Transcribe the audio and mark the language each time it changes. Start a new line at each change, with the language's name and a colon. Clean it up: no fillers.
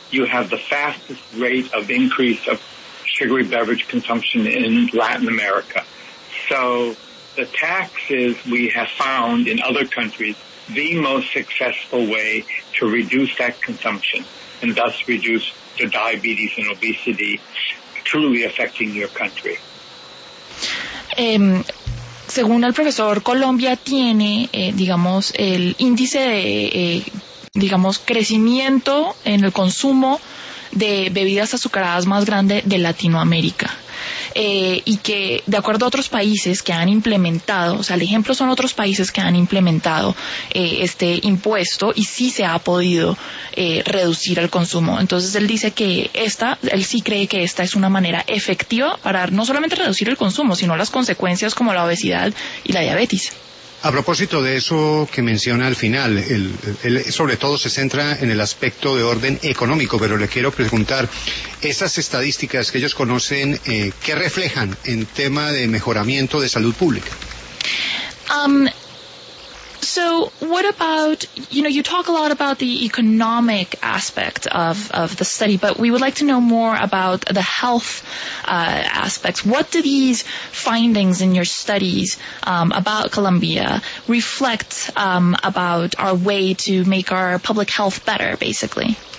English: You have the fastest rate of increase of sugary beverage consumption in Latin America. So the taxes we have found in other countries the most successful way to reduce that consumption and thus reduce the diabetes and obesity truly affecting your country.
Spanish: Según el profesor, Colombia tiene, digamos, el índice de, digamos, crecimiento en el consumo de bebidas azucaradas más grande de Latinoamérica. Y que, de acuerdo a otros países que han implementado, o sea, el ejemplo son otros países que han implementado este impuesto y sí se ha podido reducir el consumo. Entonces, él dice que esta, él sí cree que esta es una manera efectiva para no solamente reducir el consumo, sino las consecuencias como la obesidad y la diabetes. A propósito de eso que menciona al final, él sobre todo se centra en el aspecto de orden económico, pero le quiero preguntar, esas estadísticas que ellos conocen, ¿qué reflejan en tema de mejoramiento de salud pública?
English: So what about, you know, you talk a lot about the economic aspect of the study, but we would like to know more about the health aspects. What do these findings in your studies about Colombia reflect about our way to make our public health better, basically?